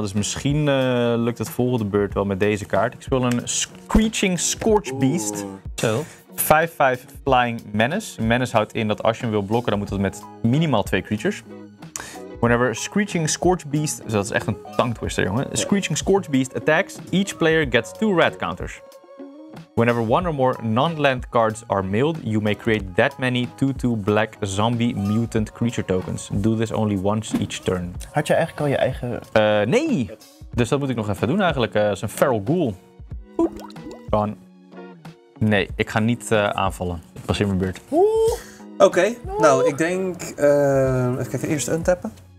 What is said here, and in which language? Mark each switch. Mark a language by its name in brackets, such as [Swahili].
[Dutch] Dus misschien lukt het volgende beurt wel met deze kaart. Ik speel een Screeching Scorch Beast. Zo. 5-5 Flying Menace. Menace houdt in dat als je hem wil blokken, dan moet dat met minimaal 2 creatures. [English] Whenever [Dutch] Screeching Scorch Beast, dus dat is echt een tongue twister, jongen. [English] Screeching Scorch Beast attacks, each player gets 2 red counters. Whenever one or more non-land cards are milled, you may create that many 2-2 black zombie mutant creature tokens. Do this only once each turn. [Dutch] Had je eigenlijk al je eigen... Nee! Dus dat moet ik nog even doen eigenlijk. Dat is een Feral Ghoul. Gone. Nee, ik ga niet aanvallen. Ik pas in mijn beurt. Oké, nou ik denk... even kijken, eerst untappen.